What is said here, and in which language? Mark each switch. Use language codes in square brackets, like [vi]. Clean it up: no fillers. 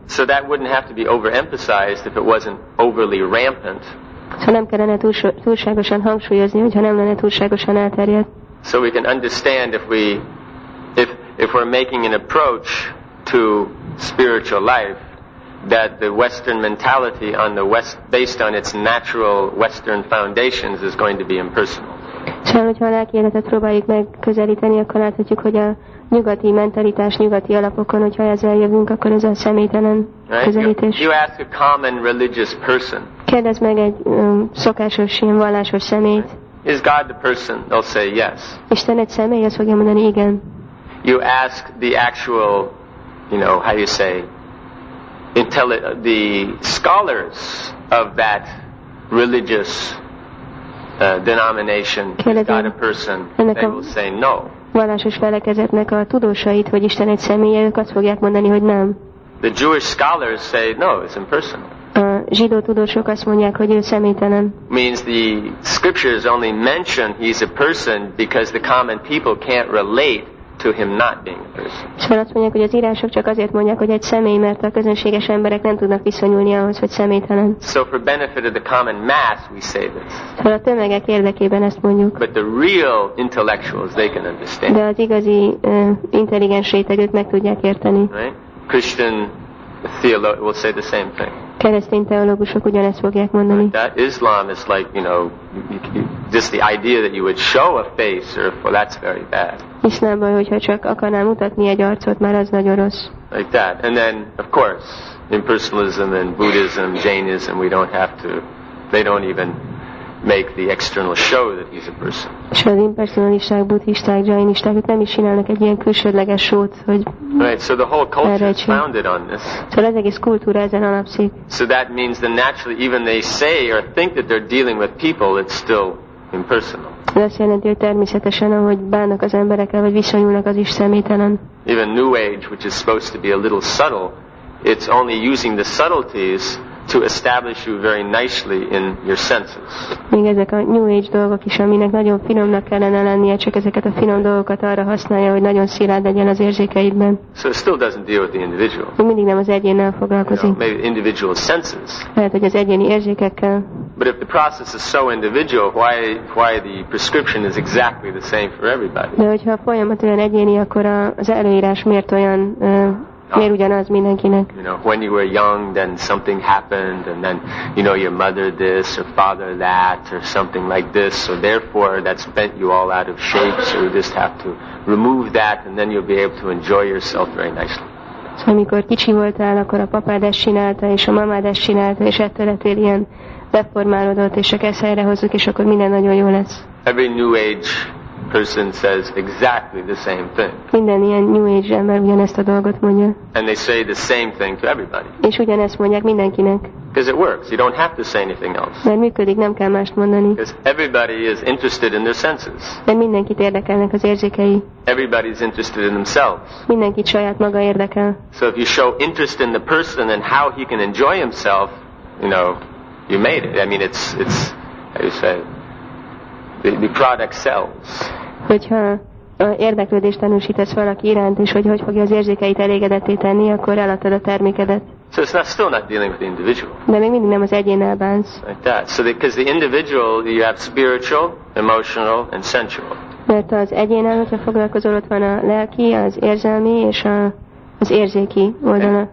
[en] So that wouldn't have to be overemphasized if it wasn't overly rampant. [hu] Szóval nem kellene túlságosan hangsúlyozni, hogyha nem lenne túlságosan elterjedt. [en] So we can understand if we're making an approach to spiritual life that the Western mentality on the West based on its natural Western foundations is going to be impersonal. [hu] Szóval, hogyha a lelki életet próbáljuk megközelíteni, akkor láthatjuk, hogy a nyugati mentalitás, nyugati alapokon, hogyha ezzel jövünk, akkor ez a személytelen közelítés. [en] You ask a common religious person. [hu] Kérdezz meg egy szokásos ilyen vallásos szemét. [en] Is God the person? They'll say yes. [hu] Isten egy személy, azt fogja mondani, igen. [en] You ask the actual, you know, how you say, the scholars of that religious denomination, is God a person? They will say no. [hu] Vallásos felekezetnek a tudósait, hogy Isten egy személy, ők azt fogják mondani, hogy nem. [en] The Jewish scholars say no, it's impersonal. [hu] A zsidó tudósok azt mondják, hogy ő személytelen. [en] Means the scriptures only mention he's a person because the common people can't relate to him not being a person. [hu] Szóval azt mondják, hogy az írások csak azért mondják, hogy egy személy, mert a közönséges emberek nem tudnak viszonyulni ahhoz, hogy személytelen. [en] So for benefit of the common mass, we say this. [hu] Szóval a tömegek érdekében ezt mondjuk. [en] But the real intellectuals, they can understand. [hu] De az igazi intelligens réteg, ők meg tudják érteni. [en] Right? Christian theologians will say the same thing. [hu] Keresztény teológusok ugyanezt fogják mondani. [en] Right? That Islam is like, you know, just the idea that you would show a face, or well, that's very bad. [hu] Islámban, hogyha csak akarnál mutatni egy arcot, már az nagyon rossz. [en] Like that. And then, of course, impersonalism and Buddhism, Jainism, we don't have to, they don't even make the external show that he's a person. [hu] És az impersonalisták, buddhisták, jainisták, ők nem is csinálnak egy ilyen külsődleges showt, hogy. [en] Right, so the whole culture is founded on this. [hu] Szóval az egész kultúra ezen alapszik. [en] So that means that naturally, even they say or think that they're dealing with people, it's still impersonal. [hu] Ez azt jelenti, hogy természetesen, ahogy bánnak az emberekkel, vagy viszonyulnak, az is személytelen. [en] Even New Age, which is supposed to be a little subtle, it's only using the subtleties to establish you very nicely in your senses. [hu] Még ezek a New Age dolgok is, aminek nagyon finomnak kellene lennie, csak ezeket a finom dolgokat arra használja, hogy nagyon szilárd legyen az érzékeidben. [en] So it still doesn't deal with the individual. [hu] Még mindig nem az egyénnel foglalkozik. [en] Maybe individual senses. [hu] Lehet, hogy az egyéni érzékekkel. [en] But if the process is so individual, why the prescription is exactly the same for everybody? [hu] De hogyha a folyamat olyan egyéni, akkor az előírás miért olyan miért ugyanaz mindenkinek? [en] You know, when you were young, then something happened, and then, you know, your mother this, or father that, or something like this, so therefore that's bent you all out of shape, so you just have to remove that, and then you'll be able to enjoy yourself very nicely. [hu] Szóval, amikor kicsi voltál, akkor a papád ezt csinálta, és a mamád ezt csinálta, és ettől lettél ilyen deformálódott, és csak ezt helyre hozzuk, és akkor minden nagyon jó lesz. [en] Every New Age person says exactly the same thing. [hu] Minden ilyen New Age ember ugyanezt a dolgot mondja. [en] And they say the same thing to everybody. [hu] És ugyanezt mondják mindenkinek. [en] Because it works. You don't have to say anything else. [hu] Mert működik, nem kell mást mondani. [en] Because everybody is interested in their senses. [hu] De mindenkit érdekelnek az érzékei. [en] Everybody's interested in themselves. [hu] Mindenkit saját maga érdekel. [en] So if you show interest in the person and how he can enjoy himself, you know, you made it. I mean, it's how you say it. The product sells. [hu] Hogyha érdeklődést tanúsítasz valaki iránt, és hogy fogja az érzékeit elégedetté tenni, akkor eladod a termékedet. [en] So it's not, still not dealing with the individual. [hu] De még mindig nem az egyénnel bánsz. [en] Like that. So because the individual, you have spiritual, emotional, and sensual. [hu] Mert az egyénnel, hogyha foglalkozol, ott van a lelki, az érzelmi, és az érzéki oldala.